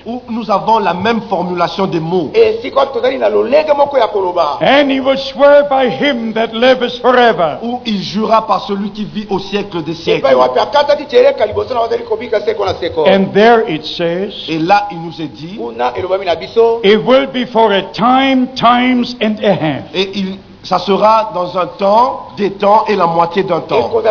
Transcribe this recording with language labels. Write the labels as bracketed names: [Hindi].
[French] Où nous avons la même formulation des mots. [English] And he will swear by him that lives forever. [French] Où il jura par celui qui vit au siècle des siècles. [English] And there it says, [French] et là, il nous est dit, [English] it will be for a time, times, and a half. [French] Et il, ça sera dans un temps, des temps, et la moitié d'un temps.